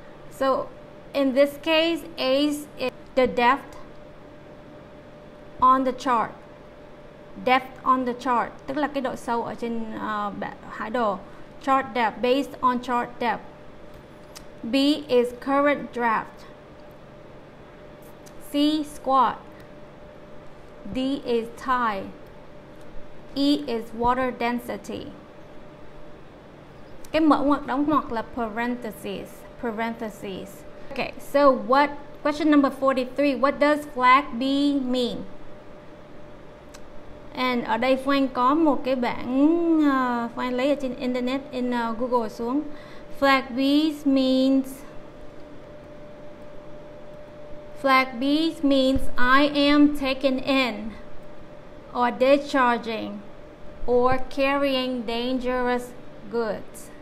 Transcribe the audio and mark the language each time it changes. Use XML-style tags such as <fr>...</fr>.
<en>So in this case, A is the depth on the chart. Depth on the chart,</en> <vi>tức là cái độ sâu ở trên hải đồ.</vi> <en>Chart depth, based on chart depth. B is current draft. C, squat. D is tide. E is water density.</en> <vi>Cái mở ngoặc đóng ngoặc là parentheses.</vi> <en>Parentheses. Okay, so what, question number 43, what does flag B mean?</en> <vi>And ở đây Phương Anh có một cái bảng Phương Anh lấy ở trên internet, in Google xuống.</vi> <en>Flag B means, flag B means I am taken in or discharging or carrying dangerous goods.</en>